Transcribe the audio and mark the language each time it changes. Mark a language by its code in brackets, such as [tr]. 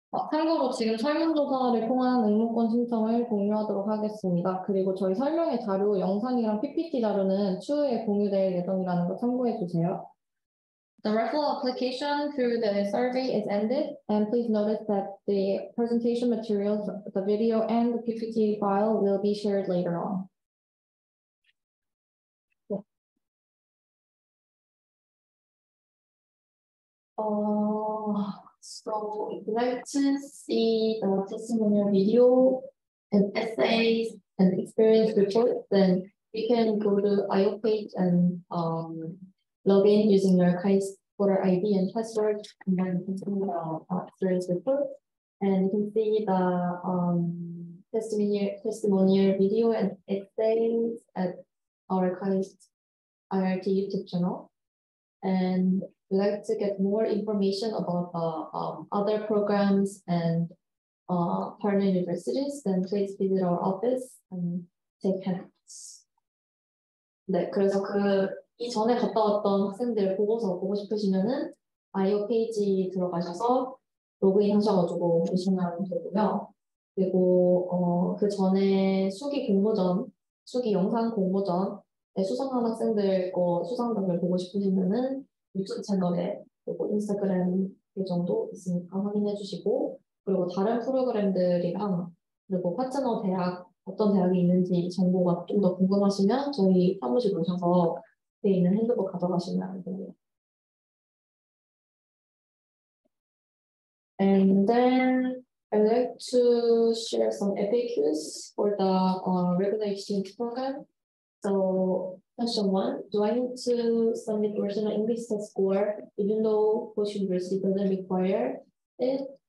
[ko] 참고로 지금 설문조사를 통한 응모권 신청을 공유하도록 하겠습니다. 그리고 저희 설명의 자료, 영상이랑 PPT 자료는 추후에 공유될 예정이라는 거 참고해 주세요. [en] The referral application through the survey is ended, and please notice that the presentation materials, the video, and the PPT file will be shared later on. So if you'd like to see the testimonial video and essays and experience report, then You can go to IO page and log in using your KAIS voter ID and password, and then continue the experience report. And you can see the testimonial video and essays at our KAIS IRT YouTube channel. And we'd like to get more information about the other programs and partner universities, then please visit our office and take hands. [ko] 네, 그래서 그 이전에 갔다 왔던 학생들 보고서 보고 싶으시면은 IO 페이지 들어가셔서 로그인 하셔가지고 보시면 되고요. 그리고 그 전에 수기 영상 공모전에 수상한 학생들 거 수상작을 보고 싶으시면은 유튜브 채널에 그리고 인스타그램 계정도 있으니까 확인해 주시고, 그리고 다른 프로그램들이랑 그리고 파트너 대학 어떤 대학이 있는지 정보가 좀 더 궁금하시면 저희 사무실 오셔서 뒤에 있는 핸드북 가져가시면 됩니다. [en] And then I'd like to share some FAQs for the regular exchange program. So question one, do I need to submit original English test score even though Hoshi University doesn't require it?